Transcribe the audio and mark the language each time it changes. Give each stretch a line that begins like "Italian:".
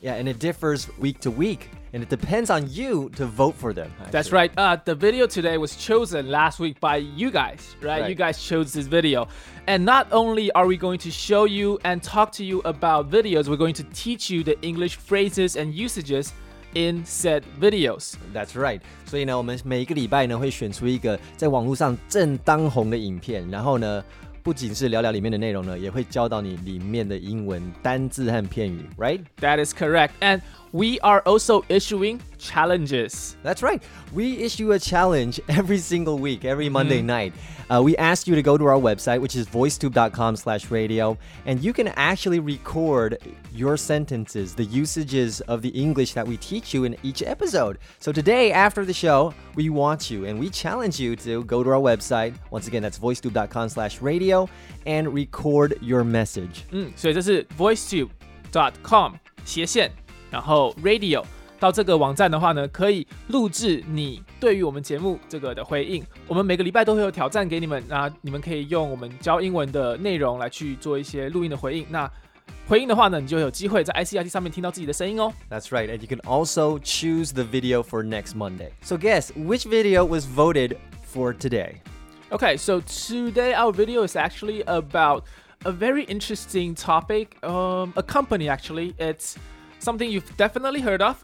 English: Yeah, and it differs week to week, and it depends on you to vote for them. Actually. That's right. The video today was chosen last week by you guys, right? You guys chose this video. And not only are we going to show you and talk to you about videos, we're going to teach you the English phrases and usages in said videos. That's right.
Chinese: 所以呢，我们每一个礼拜呢，会选出一个在网络上正当红的影片，然后呢，不仅是聊聊里面的内容呢，也会教到你里面的英文单字和片语， right?
English: That is correct. And we are also issuing challenges. That's right. We issue a challenge every single week, every Monday night. We ask you to go to our website, which is voicetube.com/radio, and you can actually record your sentences, the usages of the English that we teach you in each episode. So today, after the show, we want you and we challenge you to go to our website. Once again, that's voicetube.com/radio and record your message. So this is voicetube.com/radio.
Chinese: 然后 radio 到这个网站的话呢，可以录制你对于我们节目这个的回应。我们每个礼拜都会有挑战给你们，那你们可以用我们教英文的内容来去做一些录音的回应。那回应的话呢，你就有机会在 ICRT 上面听到自己的声音哦。
English: That's right, and you can also choose the video for next Monday. So guess which video was voted for today? Okay, so today our video is actually about a very interesting topic. A company actually, it's something you've definitely heard of.